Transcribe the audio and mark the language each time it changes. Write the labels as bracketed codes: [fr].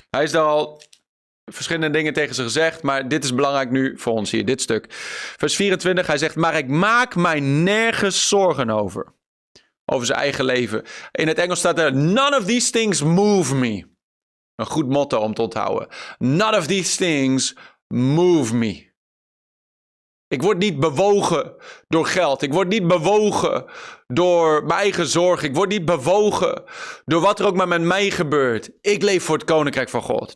[nl] Hij is daar al verschillende dingen tegen ze gezegd, maar dit is belangrijk nu voor ons hier, dit stuk. Vers 24, hij zegt, maar ik maak mij nergens zorgen over. Over zijn eigen leven. In het Engels staat er, [en] none of these things move me. [nl] Een goed motto om te onthouden. [en] None of these things move me. [nl] Ik word niet bewogen door geld. Ik word niet bewogen door mijn eigen zorg. Ik word niet bewogen door wat er ook maar met mij gebeurt. Ik leef voor het koninkrijk van God.